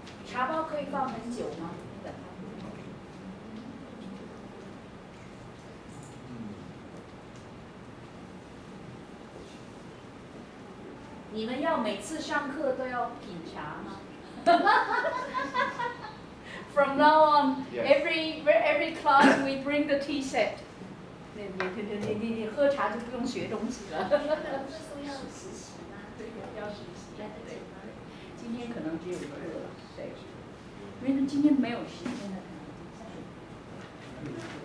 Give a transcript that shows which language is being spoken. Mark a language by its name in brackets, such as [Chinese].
[Chinese] 茶包可以放很久吗？你们要每次上课都要品茶吗？ [English] From now on, every class we bring the tea set. [Chinese] 你喝茶就不用学东西了。要实习吗？对，要实习。今天可能只有课了，对。因为今天没有时间了。